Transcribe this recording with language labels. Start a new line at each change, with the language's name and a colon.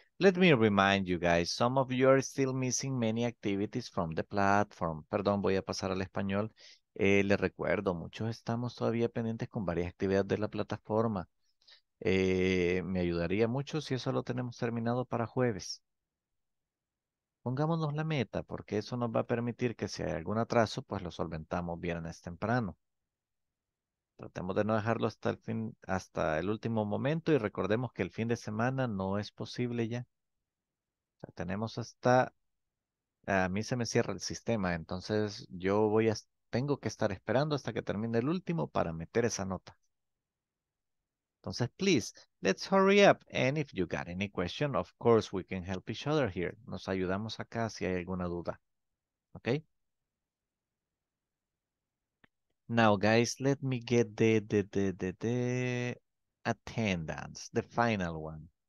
English: Let me remind you guys, some of you are still missing many activities from the platform.
Spanish: Perdón, voy a pasar al español. Les recuerdo, muchos estamos todavía pendientes con varias actividades de la plataforma. Me ayudaría mucho si eso lo tenemos terminado para jueves. Pongámonos la meta, porque eso nos va a permitir que si hay algún atraso, pues lo solventamos viernes temprano. Tratemos de no dejarlo hasta el fin, hasta el último momento, y recordemos que el fin de semana no es posible ya. O sea, tenemos hasta... A mí se me cierra el sistema, entonces yo voy a... Tengo que estar esperando hasta que termine el último para meter esa nota.
English: Entonces, please, let's hurry up. And if you got any question, of course, we can help each other here.
Spanish: Nos ayudamos acá si hay alguna duda. Okay?
English: Now, guys, let me get the attendance, the final one.